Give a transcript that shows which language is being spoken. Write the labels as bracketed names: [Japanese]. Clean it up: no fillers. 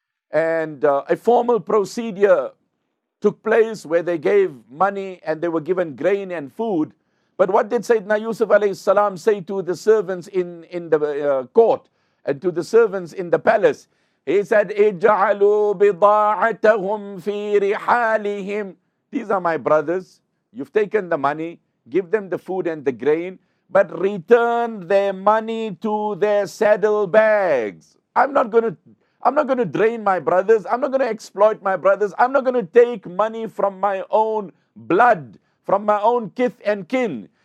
[English] And a formal procedure took place where they gave money and they were given grain and food. But what did Sayyidina Yusuf alayhi salam say to the servants in the court and to the servants in the palace? [Arabic] He said, اِجْعَلُوا بِضَاعَتَهُمْ فِي رِحَالِهِمْ. [English] These are my brothers. You've taken the money. Give them the food and the grain. But return their money to their saddle bags. I'm not going to drain my brothers. I'm not going to exploit my brothers. I'm not going to take money from my own blood, from my own kith and kin.